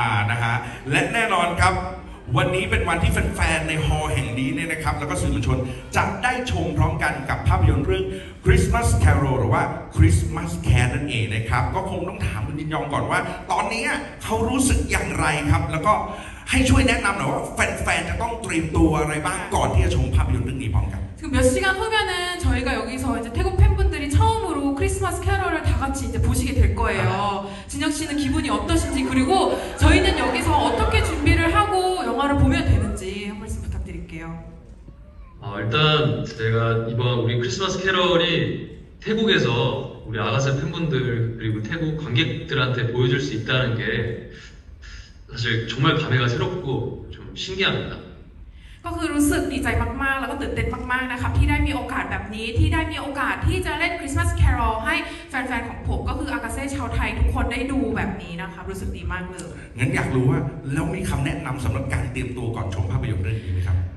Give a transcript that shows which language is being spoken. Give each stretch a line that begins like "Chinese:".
Thai: นะฮะและแน่นอนครับวันนี้เป็นวันที่แฟนๆในฮอล์แห่งนี้เนี่ยนะครับแล้วก็สื่อมวลชนจะได้ชมพร้อมกันกับภาพยนตร์เรื่อง Christmas Carol หรือว่า Christmas Care นั่นเองนะครับก็คงต้องถามคุณจินยองก่อนว่าตอนนี้เขารู้สึกอย่างไรครับแล้วก็ให้ช่วยแนะนำหน่อยว่าแฟนๆจะต้องเตรียมตัวอะไรบ้างก่อนที่จะชมภาพยนตร์เรื่องนี้พร้อมกัน
Korean: 지금 몇 시간 후면은 저희가 여기서 이제 태국 팬분들이 처음으로 크리스마스 캐럴을 다 같이 이제 보시게 될 거예요. 진혁 씨는 기분이 어떠신지 그리고 저희는 여기서 어떻게 준비를 하고 영화를 보면 되는지 한 말씀 부탁드릴게요. 일단 제가 이번 우리 크리스마스 캐럴이 태국에서 우리 아가세 팬분들 그리고 태국 관객들한테 보여줄 수 있다는 게사실정말감회가새롭고좀신기합니다
Thai: ก็คือรู้สึกดีใจมากๆแล้วก็ตื่นเต้นมากๆนะคะที่ได้มีโอกาสแบบนี้ที่ได้มีโอกาสที่จะเล่น Christmas Carol ให้แฟนๆของผมก็คืออากาเซ่ชาวไทยทุกคนได้ดูแบบนี้นะคะรู้สึกดีมากเลย งั้นอยากรู้ว่าแล้วมีคำแนะนำสำหรับการเตรียมตัวก่อนชมภาพยนตร์เรื่องนี้ไหมครับ